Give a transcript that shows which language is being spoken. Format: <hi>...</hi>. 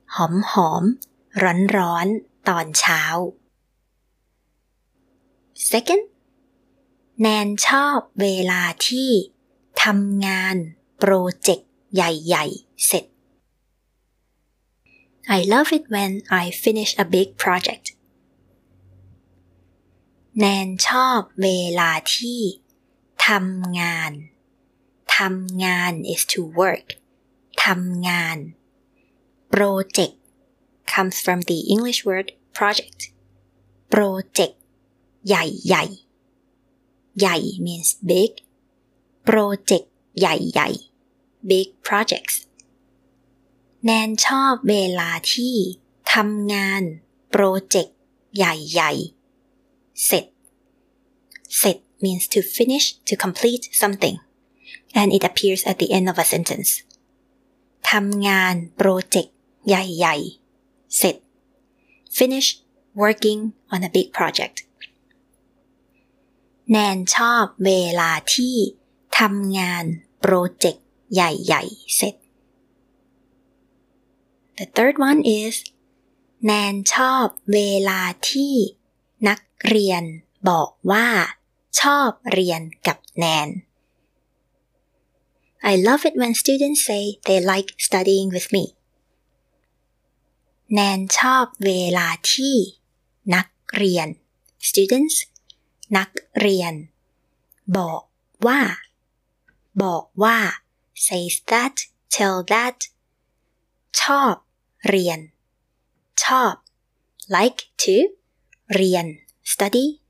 <th>หอมหอมร้อนร้อนตอนเช้า</th> <en>Second,</en> <th>แนนชอบเวลาที่ทำงานโปรเจกต์ใหญ่ๆเสร็จ</th> <en>I love it when I finish a big project.</en> <th>แนนชอบเวลาที่ทำงานทำงาน</th> <en>is to work. ทำงานproject comes from the English word project. Project ใหญ่ๆ ใหญ่ means big. Project ใหญ่ๆ big projects.</en> <th>แนนชอบเวลาที่ทำงานโปรเจกต์ใหญ่ๆ เสร็จ เสร็จ</th> <en>means to finish, to complete something. And it appears at the end of a sentence.</en> <th>ทำงานโปรเจกต์ใหญ่ๆ เสร็จ</th> <en>finish working on a big project.</en> <th>แนนชอบเวลาที่ทำงานโปรเจกต์ใหญ่ๆ เสร็จ</th> <en>The third one is</en> <th>แนนชอบเวลาที่นักเรียนบอกว่าชอบเรียนกับแนน</th> <en>I love it when students say they like studying with me.</en> <th>แนนชอบเวลาที่นักเรียน students นักเรียนบอกว่าบอกว่า</th> <en>says that tell that</en> <th>ชอบเรียนชอบ</th> <en>like to</en> <th>เรียน study</th>